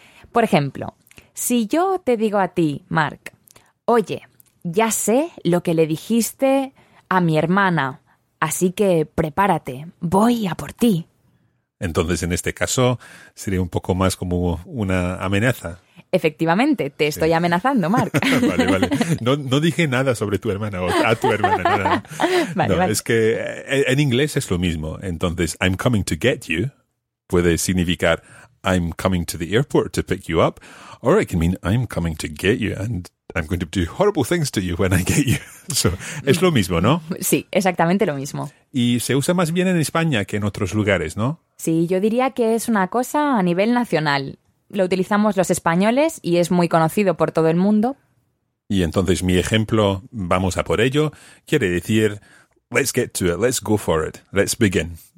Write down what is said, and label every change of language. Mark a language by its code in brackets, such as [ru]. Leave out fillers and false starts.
[es] Por ejemplo, si yo te digo a ti, Mark, oye, ya sé lo que le dijiste a mi hermana, así que prepárate, voy a por ti. Entonces, en este caso, sería un poco más como una amenaza. Efectivamente, te estoy amenazando, Mark. Vale, vale. No dije nada sobre tu hermana o a tu hermana. No, no. Vale, no, vale. Es que en inglés es lo mismo. Entonces, [en] I'm coming to get you [es] puede significar [en] I'm coming to the airport to pick you up. Or it can mean I'm coming to get you and I'm going to do horrible things to you when I get you. [es] So, es lo mismo, ¿no? Sí, exactamente lo mismo. Y se usa más bien en España que en otros lugares, ¿no? Sí, yo diría que es una cosa a nivel nacional. Lo utilizamos los españoles y es muy conocido por todo el mundo. Y entonces mi ejemplo, vamos a por ello, quiere decir, [en] let's get to it, let's go for it, let's begin.